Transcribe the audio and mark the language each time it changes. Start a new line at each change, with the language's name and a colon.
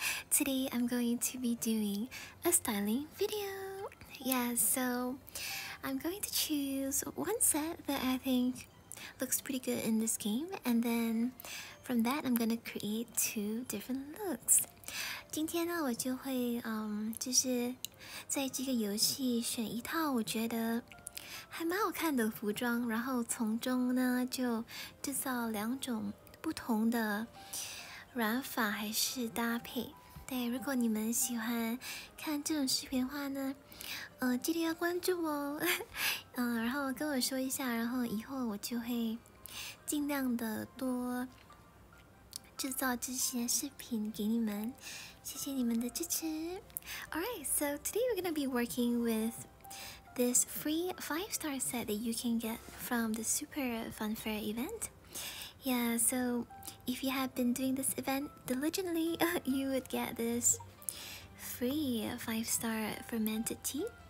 English: Today, I'm going to be doing a styling video. Yeah, so I'm going to choose one set that I think looks pretty good in this game. And then from that, I'm going to create two different looks.
Chinese: 今天呢，我就会就是在这个游戏选一套我觉得还蛮好看的服装，然后从中呢就制造两种不同的染发还是搭配。对，如果你们喜欢看这种视频的话呢，记得要关注哦。然后跟我说一下，然后以后我就会尽量的多制造这些视频给你们，谢谢你们的支持。
English: Alright, so today we're gonna be working with this free 5-star set that you can get from the Super Fun Fair event. Yeah, so if you have been doing this event diligently, you would get this free 5-star fermented tea.